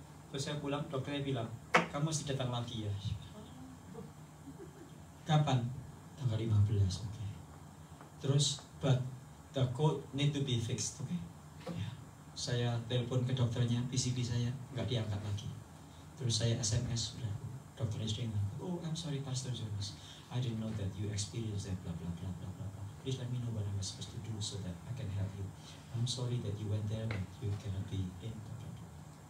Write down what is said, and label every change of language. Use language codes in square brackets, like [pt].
[id] Terus saya pulang, dokternya bilang, kamu mesti datang lagi ya. Kapan? Tanggal 15, oke. Okay. Terus, [en] but the code need to be fixed, oke? Okay? [id] Ya. Saya telepon ke dokternya, PCP saya enggak diangkat lagi. Terus saya SMS sudah, dokternya sudah ingat. [en] Oh, I'm sorry, Pastor Jonas. I didn't know that you experienced that blah blah blah blah blah blah. Please let me know what I'm supposed to do so that I can help you. I'm sorry that you went there but you cannot be in blah blah blah.